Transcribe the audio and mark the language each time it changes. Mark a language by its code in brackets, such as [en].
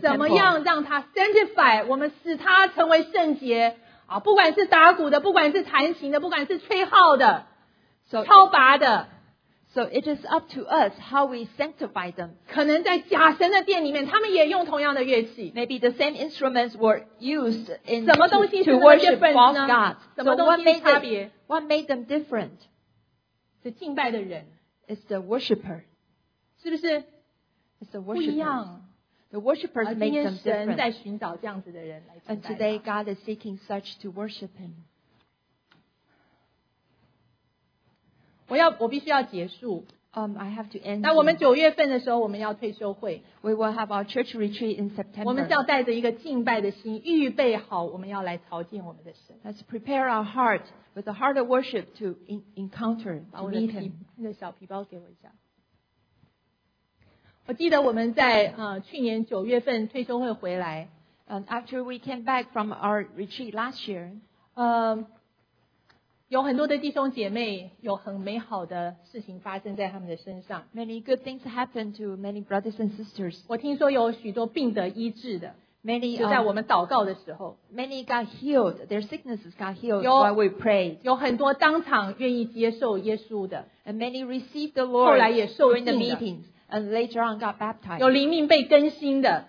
[zh] 怎么样让他 sanctify 我们使他成为圣洁啊？不管是打鼓的，不管是弹琴的，不管是吹号的，敲拔的。 [en] So it is up to us how we sanctify them. [zh] 可能在假神的殿里面，他们也用同样的乐器。 [en] Maybe the same instruments were used in to worship false gods. [zh] 什么东西是这么 different 呢？什么东西差别 [en] ？What made them different? [zh] 是敬拜的人。 [en] It's the worshipper. [zh] 是不是？ [en] It's the worshipper. [zh] 不一样。 [en] The worshippers made them different. [zh] 而今天神在寻找这样子的人来敬拜。 [en] And today God is seeking such to worship Him. [zh] 我必须要结束。 [en] I have to end. [zh] 那我们九月份的时候，我们要退休会。 [en] We will have our church retreat in September. [zh] 我们是要带着一个敬拜的心，预备好，我们要来朝见我们的神。 [en] Let's prepare our heart with a heart of worship to encounter, to meet Him. [zh] 把我的小皮包给我一下。我记得我们在去年九月份退休会回来。 [en] After we came back from our retreat last year. [zh] 有很多的弟兄姐妹有很美好的事情发生在他们的身上。 [en] Many good things happened to many brothers and sisters. [zh] 我听说有许多病得医治的。 [en] Many, [zh] 就在我们祷告的时候。 [en] Many got healed. Their sicknesses got healed while we prayed. [zh] 有很多当场愿意接受耶稣的。 [en] And many received the Lord [zh] 后来也受浸的。 [en] During the meetings. And later on got baptized. [zh] 有灵命被更新的。